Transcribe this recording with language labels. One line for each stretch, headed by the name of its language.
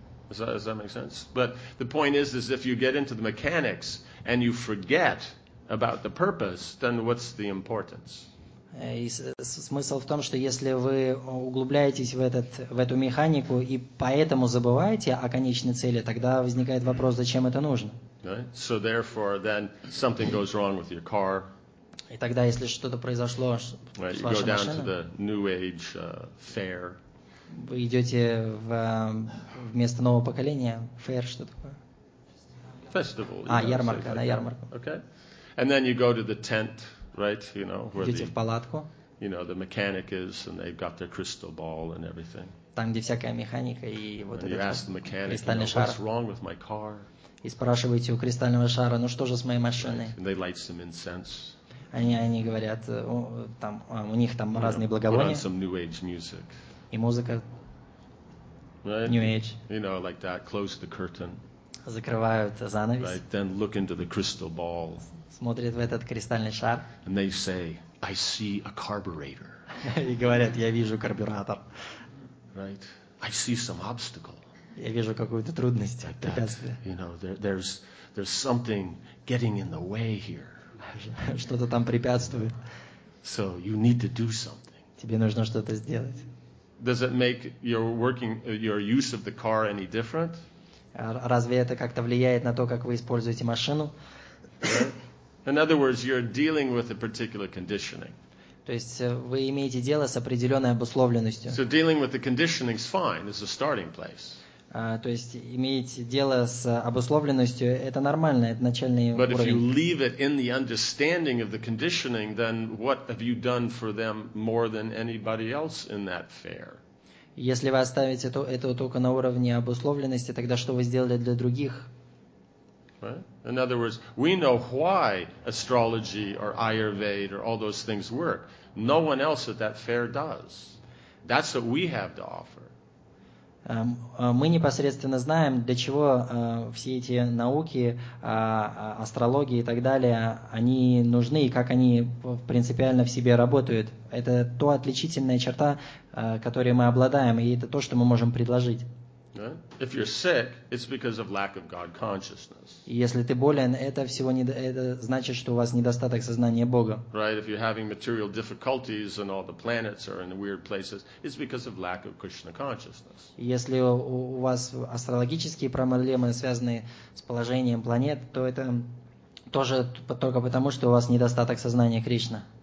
English: Does that make sense? But the point is if you get into the mechanics and you forget about the purpose, then what's the importance?
Russian: И смысл в том, что если вы углубляетесь в эту механику и поэтому забываете о конечной цели, тогда возникает вопрос, зачем это нужно.
English: Right? So therefore, then something goes wrong with your car.
Russian: И тогда, если что-то произошло с вашей машиной,
English: you go down to the New Age fair.
Russian: Вы идете в место нового поколения, fair, что такое?
English: Festival.
Russian: Ярмарка, на ярмарку.
English: Okay. And then you go to the tent. Right, you know, where
Russian: идете в палатку.
English: You know, the mechanic is, and they've got their crystal ball and everything.
Russian: Там, где всякая механика и вот
English: and
Russian: этот
English: you ask the mechanic,
Russian: кристальный шар.
English: What's wrong with my car?
Russian: И спрашиваете у кристального шара, ну что же с моей машиной?
English: Right. And they light some incense.
Russian: Они говорят, там у них там
English: you
Russian: разные
English: know,
Russian: благовония.
English: Put on some new age music.
Russian: И музыка.
English: Right. New age. You know, like that. Close the curtain.
Russian: Закрывают занавес.
English: Right. Then look into the crystal ball.
Russian: Смотрит в этот кристальный шар.
English: And they say, I see a carburetor.
Russian: И говорят, я вижу карбюратор.
English: Right. I see some obstacle.
Russian: Я вижу какую-то трудность, like препятствие.
English: You know, there's something getting in the way here.
Russian: Что-то там препятствует.
English: So you need to do something.
Russian: Тебе нужно что-то сделать.
English: Does it make your use of the car any different?
Russian: Разве это как-то влияет на то, как вы используете машину?
English: In other words, you're dealing with a particular conditioning.
Russian: То есть вы имеете дело с определенной обусловленностью.
English: So dealing with the conditioning is fine. It's a starting place.
Russian: То есть имеете дело с обусловленностью, это нормально, это начальный
English: But
Russian: уровень.
English: If you leave it in the understanding of the conditioning, then what have you done for them more than anybody else in that fair?
Russian: Если вы оставите это только на уровне обусловленности, тогда что вы сделали для других?
English: Right? In other words, we know why astrology or Ayurveda or all those things work. No one else at that fair does. That's what we have to offer.
Russian: Мы непосредственно знаем, для чего все эти науки, астрология и так далее, они нужны и как они принципиально в себе работают. Это то отличительная черта, которой мы обладаем, и это то, что мы можем предложить.
English: Right? If you're sick, it's because of lack of God consciousness.
Russian: Если ты болен, это значит, что у вас недостаток сознания Бога.
English: Right? If you're having material difficulties and all the planets are in weird places, it's because of lack of Krishna consciousness.
Russian: Если у вас астрологические проблемы, связанные с положением планет, то это тоже только потому, что у вас недостаток сознания Кришны.